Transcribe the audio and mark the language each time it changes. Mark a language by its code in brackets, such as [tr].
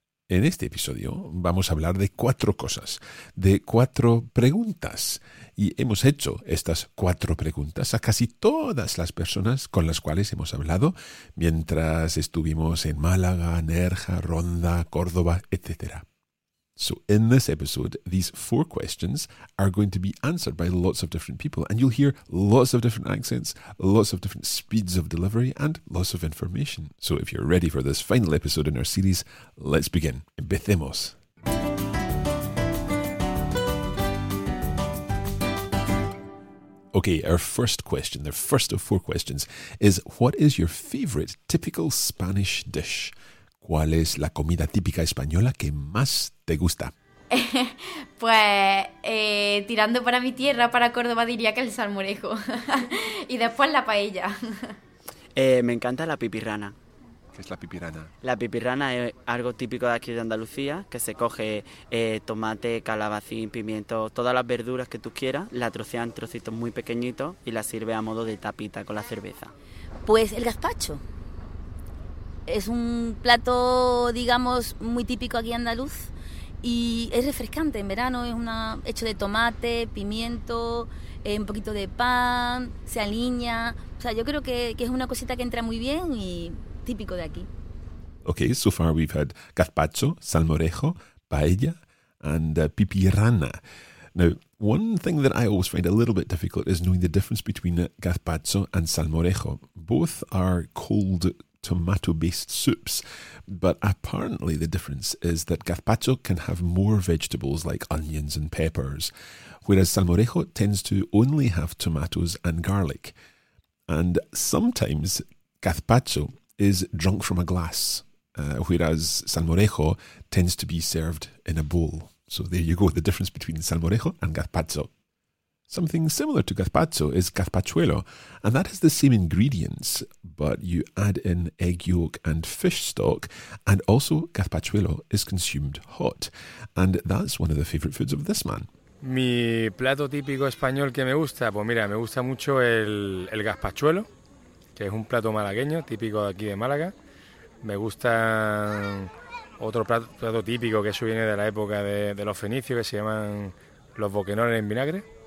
[es] En este episodio vamos a hablar de cuatro cosas, de cuatro preguntas. Y hemos hecho estas cuatro preguntas a casi todas las personas con las cuales hemos hablado mientras estuvimos en Málaga, Nerja, Ronda, Córdoba, etc. [en] So in this episode, these four questions are going to be answered by lots of different people, and you'll hear lots of different accents, lots of different speeds of delivery, and lots of information. So if you're ready for this final episode in our series, let's begin. [es] Empecemos. [en] Okay, our first question, the first of four questions, is what is your favorite typical Spanish dish? [es] ¿Cuál es la comida típica española que más te gusta? Pues tirando para mi tierra, para Córdoba, diría que el salmorejo. Y después la paella. Me encanta la pipirrana. ¿Qué es la pipirrana? La pipirrana es algo típico de aquí de Andalucía, que se coge tomate, calabacín, pimiento, todas las verduras que tú quieras, la trocean en trocitos muy pequeñitos y la sirve a modo de tapita con la cerveza. Pues el gazpacho. Es un plato, digamos, muy típico aquí andaluz y es refrescante. En verano es una hecho de tomate, pimiento, un poquito de pan, se aliña. O sea, yo creo que es una cosita que entra muy bien y típico de aquí. [en] Okay, so far we've had gazpacho, salmorejo, paella and pipirrana. Now, one thing that I always find a little bit difficult is knowing the difference between gazpacho and salmorejo. Both are cold tomato-based soups, but apparently the difference is that gazpacho can have more vegetables like onions and peppers, whereas salmorejo tends to only have tomatoes and garlic. And sometimes gazpacho is drunk from a glass, whereas salmorejo tends to be served in a bowl. So there you go, the difference between salmorejo and gazpacho. Something similar to gazpacho is gazpachuelo, and that has the same ingredients, but you add in egg yolk and fish stock, and also gazpachuelo is consumed hot, and that's one of the favorite foods of this man. [es] Mi plato típico español que me gusta, pues mira, me gusta mucho el gazpachuelo, que es un plato malagueño, típico de aquí de Málaga. Me gusta otro plato típico, que eso viene de la época de los fenicios, que se llaman los boquenones en vinagre.